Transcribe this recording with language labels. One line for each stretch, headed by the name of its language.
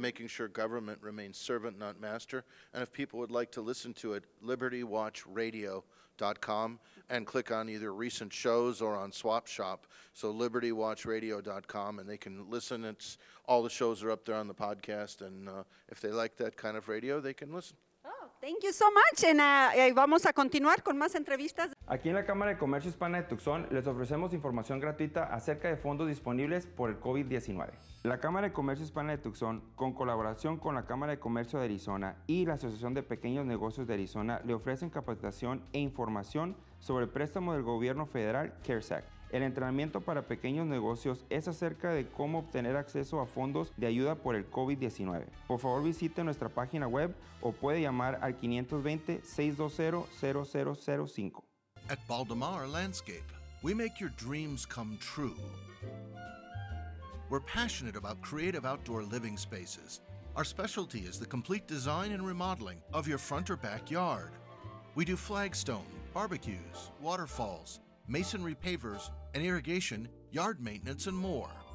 English: making sure government remains servant, not master. And if people would like to listen to it, libertywatchradio.com, and click on either recent shows or on Swap Shop. So libertywatchradio.com, and they can listen. It's all the shows are up there on the podcast, and if they like that kind of radio, they can listen. Thank you so much, and
Spanish: vamos a continuar con más entrevistas. Aquí en la Cámara de Comercio Hispana de Tucson les ofrecemos información gratuita acerca de fondos disponibles por el COVID-19. La Cámara de Comercio Hispana de Tucson, con colaboración con la Cámara de Comercio de Arizona y la Asociación de Pequeños Negocios de Arizona, le ofrecen capacitación e información sobre el préstamo del gobierno federal CARES Act. El entrenamiento para pequeños negocios es acerca de cómo obtener acceso a fondos de ayuda por el COVID-19. Por favor, visite nuestra página web o puede llamar al 520-620-0005.
English: At Baldemar Landscape, we make your dreams come true. We're passionate about creative outdoor living spaces. Our specialty is the complete design and remodeling of your front or backyard. We do flagstone, barbecues, waterfalls, masonry pavers, and irrigation, yard maintenance, and more.